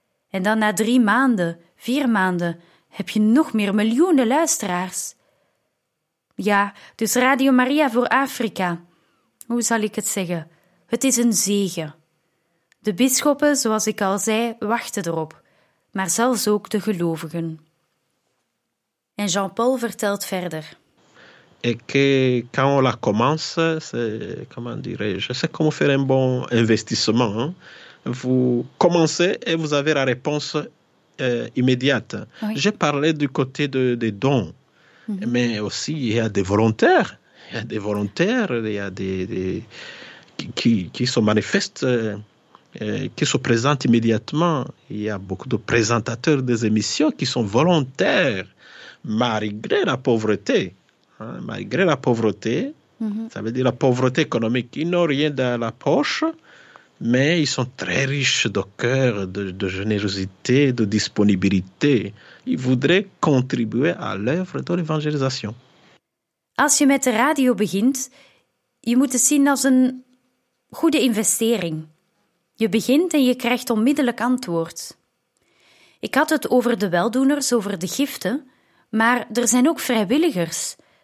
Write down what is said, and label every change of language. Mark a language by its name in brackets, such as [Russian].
[Dutch] En dan na 3 maanden, 4 maanden, heb je nog meer miljoenen luisteraars. Ja, dus Radio Maria voor Afrika. Hoe zal ik het zeggen? Het is een zegen. De bisschoppen, zoals ik al zei, wachten erop. Maar zelfs ook de gelovigen. En Jean-Paul vertelt verder. [French] Et quand on la commence, c'est, comment dirais-je, c'est comme faire un bon investissement. Vous commencez et vous avez la réponse immédiate. Oui. J'ai parlé du côté des dons. Mais aussi, il y a des volontaires. Il y a des volontaires, il y a des qui se manifestent, qui se présentent immédiatement. Il y a beaucoup de présentateurs des émissions qui sont volontaires, malgré la pauvreté. Hein, malgré la pauvreté, ça veut dire la pauvreté économique. Ils n'ont rien dans la poche, mais ils sont très riches de cœur, de générosité, de disponibilité. Ils voudraient contribuer à l'œuvre de l'évangélisation. [Dutch] Als je met de radio begint, je moet het zien als een goede investering. Je begint en je krijgt onmiddellijk antwoord. Ik had het over de weldoeners, over de giften, maar er zijn ook vrijwilligers.